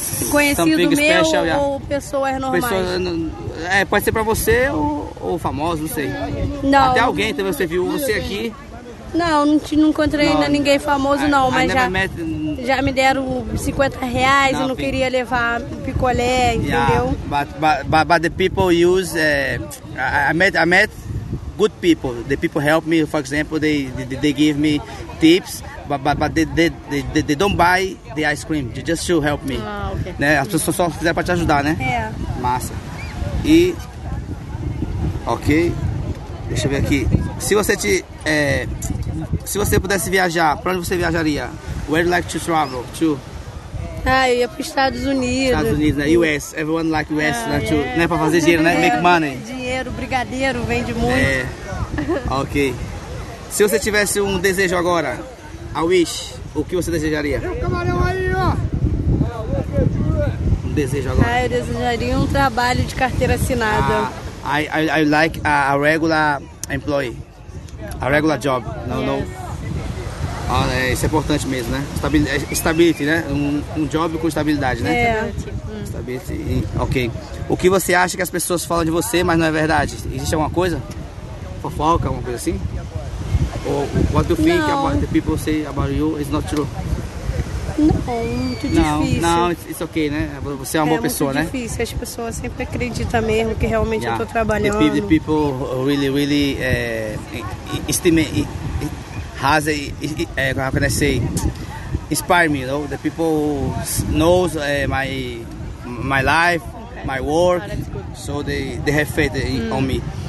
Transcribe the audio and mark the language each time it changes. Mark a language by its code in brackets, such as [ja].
[pt] conhecido meu special, ou pessoas normais? Pessoa, pode ser pra você ou famoso, não sei. Não. Até alguém também você viu, você aqui... Não, não encontrei ainda ninguém famoso, não, mas já me deram R$50 e não queria levar picolé, entendeu? [en] Yeah, but the people use, I met good people. The people help me, for example, they give me tips, but they don't buy the ice cream, they just to help me. Ah, ok. [pt] Né? As pessoas só fizeram para te ajudar, né? É. Massa. E, ok, deixa eu ver aqui. Se você pudesse viajar, para onde você viajaria? [en] Where would you like to travel to? [pt] Ah, eu ia para os Estados Unidos. Estados Unidos, né? US. Everyone like US, ah, né? Yeah. Né? Para fazer dinheiro, né? Make money. Dinheiro, brigadeiro, vende muito. É. Ok. Se você tivesse um desejo agora, a wish, o que você desejaria? Tem um camarão aí, ó. Um desejo agora. Ah, eu desejaria um trabalho de carteira assinada. [en] I like a regular employee. A regular job, não. Ah, né? Isso é importante mesmo, né? Estabilidade, né? [pt] Um job com estabilidade, né? É. Estabilidade, ok. O que você acha que as pessoas falam de você, mas não é verdade? Existe alguma coisa? Fofoca, alguma coisa assim? [en] Ou what do you think about the people say about you is not true? [pt] Não, muito difícil. Não, it's okay, né? Você é uma boa pessoa, né? É muito difícil, as pessoas sempre acreditam mesmo que realmente eu tô trabalhando. [en] The people really, really inspire me, you know? The people know my life, okay. My work, so they have faith on me.